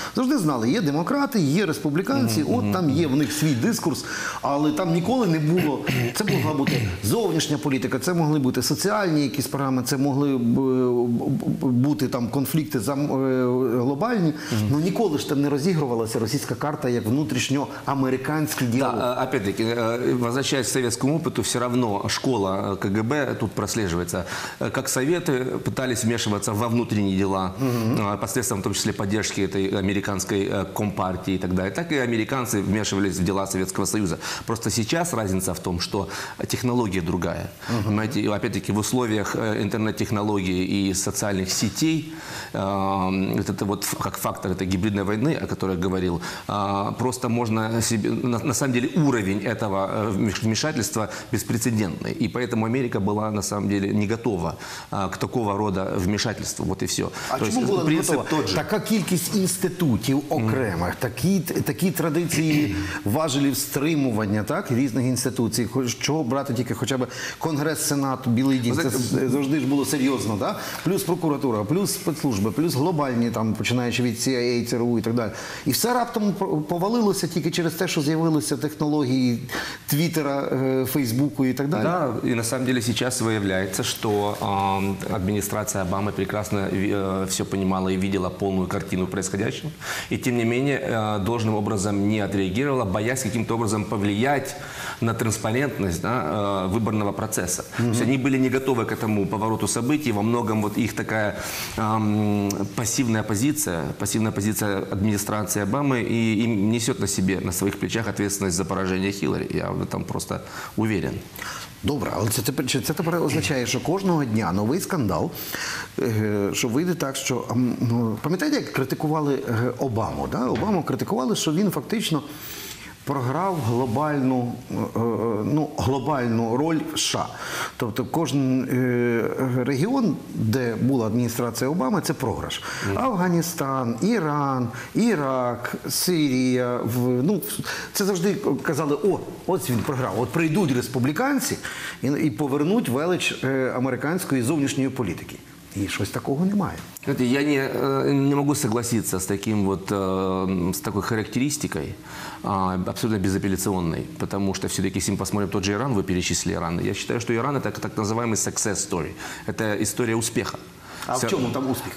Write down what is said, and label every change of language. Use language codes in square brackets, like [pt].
[uk] Завжди знали, є демократи. Є республіканці, от там є в них свій дискурс, але там ніколи не було. Це могла бути зовнішня політика, це могли бути соціальні якісь програми, це могли бути там конфлікти глобальні. Ну ніколи ж там не розігрувалася російська карта як внутрішньоамериканський діалог. [ru] Так, опять-таки, возвращаясь к советскому опыту, все равно школа КГБ тут прослеживается. Как советы пытались вмешиваться во внутренние дела, посредством, в том числе, поддержки этой американской компартии. Партии и так далее. Так и американцы вмешивались в дела Советского Союза. Просто сейчас разница в том, что технология другая. Понимаете, и опять-таки в условиях интернет-технологий и социальных сетей, это вот как фактор этой гибридной войны, о которой я говорил, просто можно себе, на самом деле уровень этого вмешательства беспрецедентный. И поэтому Америка была на самом деле не готова к такого рода вмешательству. Вот и все. А то чему есть, была принцип не готова? [uk] Така кількість институтів окремо. Такі традиції важелів стримування, так, різних інституцій. Чого брати тільки хоча б Конгрес, Сенат, Білий Дім, це завжди ж було серйозно, так? Плюс прокуратура, плюс спецслужби, плюс глобальні, там, починаючи від CIA, ЦРУ і так далі. І все раптом повалилося тільки через те, що з'явилися технології Твіттера, Фейсбуку і так далі. Да, і [ru] на самом деле [uk] зараз виявляється, що адміністрація Обами прекрасно все розуміла і бачила повну картину відбувається. І тим не менше [ru] должным образом не отреагировала, боясь каким-то образом повлиять на транспарентность, да, выборного процесса. То есть они были не готовы к этому повороту событий. Во многом вот их такая пассивная позиция администрации Обамы, и им несет на себе, на своих плечах ответственность за поражение Хиллари. Я в этом просто уверен. [uk] Добре, але це тепер означає, що кожного дня новий скандал, що вийде так, що... Пам'ятаєте, як критикували Обаму? Да? Обаму критикували, що він фактично програв глобальну, ну, глобальну роль США. Тобто кожен регіон, де була адміністрація Обами, це програш. Афганістан, Іран, Ірак, Сирія. Ну, це завжди казали, о, ось він програв. От прийдуть республіканці і повернуть велич американської зовнішньої політики. [ru] И что-то такого немає. Я не могу согласиться с таким вот, с такой характеристикой, абсолютно безапелляционной, потому что все-таки, если мы посмотрим тот же Иран, вы перечислили Иран, я считаю, что Иран – это так называемый success story, это история успеха. А в чем он там успех?